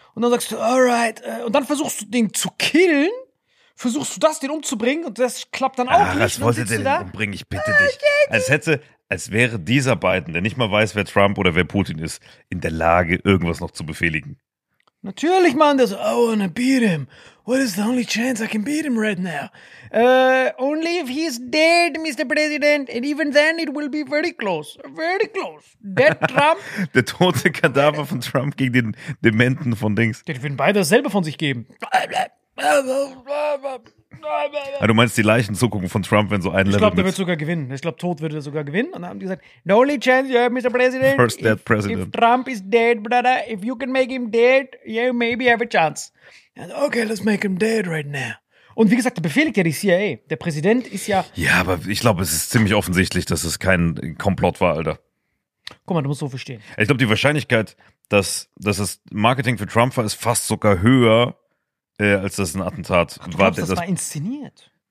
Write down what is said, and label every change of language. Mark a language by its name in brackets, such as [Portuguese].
[German] Und dann sagst du, alright, und dann versuchst du, den zu killen, versuchst du das, den umzubringen, und das klappt dann auch nicht. Ach, was wollte denn umbringen, ich bitte dich. Als wäre dieser Biden, der nicht mal weiß, wer Trump oder wer Putin ist, in der Lage, irgendwas noch zu befehligen. Natürlich, Mann, das, [English] I wanna beat him. What is the only chance I can beat him right now? Only if he's dead, Mr. President. And even then, it will be very close. Very close. Dead Trump. [German] Der tote Kadaver von Trump gegen den Dementen von Dings. Die würden beide dasselbe von sich geben. Du meinst die Leichenzuckung von Trump, wenn so ein Level. Ich glaube, der wird sogar gewinnen. Ich glaube, tot würde er sogar gewinnen. Und dann haben die gesagt, [English] the only chance you have, Mr. President. First dead president. If Trump is dead, brother, if you can make him dead, you maybe have a chance. And okay, let's make him dead right now. [German] Und wie gesagt, der befehligt ja die CIA. Der Präsident ist ja... Ja, aber ich glaube, es ist ziemlich offensichtlich, dass es kein Komplott war, Alter. Guck mal, du musst so verstehen. Ich glaube, die Wahrscheinlichkeit, dass das Marketing für Trump war, ist fast sogar höher, als das ein Attentat. Ach, du glaubst, das war inszeniert?